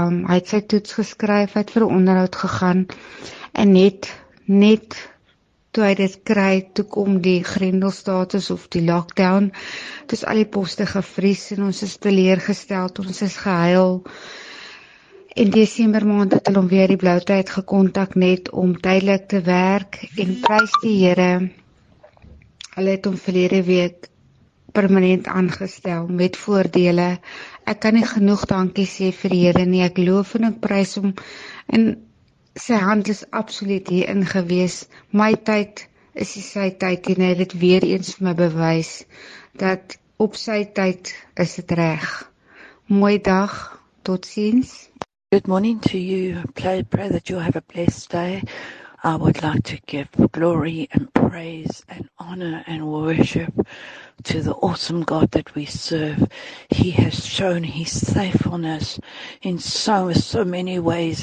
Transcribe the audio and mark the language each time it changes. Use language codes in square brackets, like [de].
[af] Hy het sy toets geskryf, hy het vir onderhoud gegaan en net toe hy dit kry, toe kom die grendelstatus of die lockdown, toe is al die poste gevries en ons is teleurgesteld, ons is gehuil. In December maand het hulle weer die blou tyd gekontak net om tydelik te werk en prys die Here. Hulle het hom verlede week permanent aangestel met voordele. Ek kan nie genoeg dankie sê vir die Here nie. Ek loof en ek prys hom en sy hand is absoluut hierin gewees. My tyd is die sy tyd en hy het dit weer eens vir my bewys dat op sy tyd is dit reg. Mooi dag, tot ziens. [en] Good morning to you. I pray that you have a blessed day. I would like to give glory and praise and honor and worship to the awesome God that we serve. He has shown his faithfulness in so many ways.